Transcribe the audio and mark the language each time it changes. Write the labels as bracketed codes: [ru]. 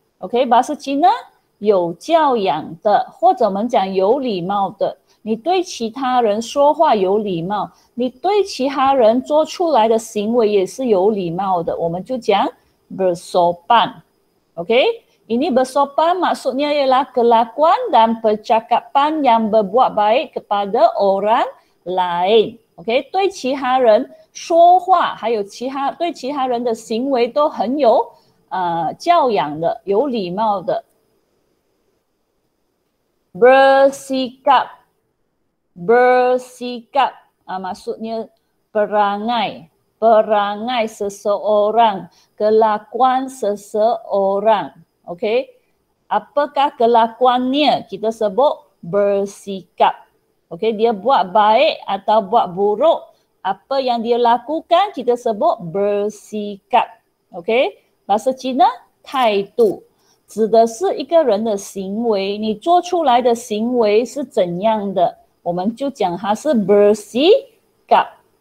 [zh] Okey, [ms] bahasa Cina, [zh] 有教养的, 或者我们讲有礼貌的. 你对其他人说话有礼貌, 你对其他人做出来的行为也是有礼貌的. 我们就讲 bersopan. Okey. [ms] Ini bersopan maksudnya ialah kelakuan dan percakapan yang berbuat baik kepada orang lain. [zh] Okey, 对其他人说话还有其他对其他人的行为都很有 教养的, 有礼貌的. [ms] Bersikap. Bersikap maksudnya perangai. Perangai seseorang, kelakuan seseorang. Okey. Apakah kelakuannya? Kita sebut bersikap. Okey, dia buat baik atau buat buruk, apa yang dia lakukan kita sebut bersikap. Okey. Bahasa Cina, [zh] 态度, 指的是一个人的行为, 你做出来的行为是怎样的? 我们就讲它是 bersikap.